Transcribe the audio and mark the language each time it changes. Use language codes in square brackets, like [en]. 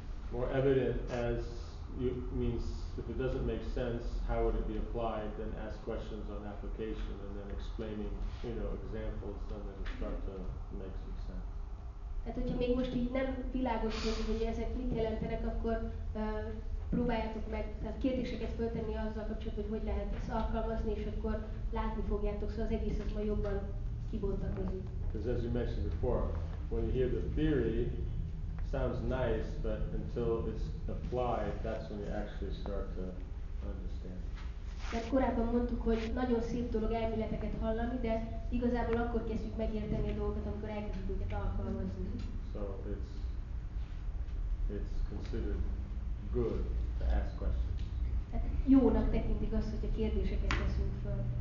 [en] More evident as you means if it doesn't make sense, how would it be applied? Then ask questions on application, and then explaining, you know, examples, then it will start to make some sense. [hu] Tehát hogyha még most így nem világos, hogy ezek mit jelentenek, akkor próbáljátok meg, tehát kérdéseket föltenni azzal kapcsolatban, hogy hogy lehet ezt alkalmazni, és akkor látni fogjátok, szóval az egész az majd jobban kibontakozik. [en] Because as you mentioned before, when you hear the theory, sounds nice, but until it's applied, that's when you actually start to understand. [hu] Tehát korábban mondtuk, hogy nagyon szép dolog elméleteket hallani, de igazából akkor kezdjük megérteni a dolgokat, amikor elkezdjük őket alkalmazni. [en] So it's considered good to ask questions. [hu] Tehát jónak tekintik azt, hogy a kérdéseket teszünk föl.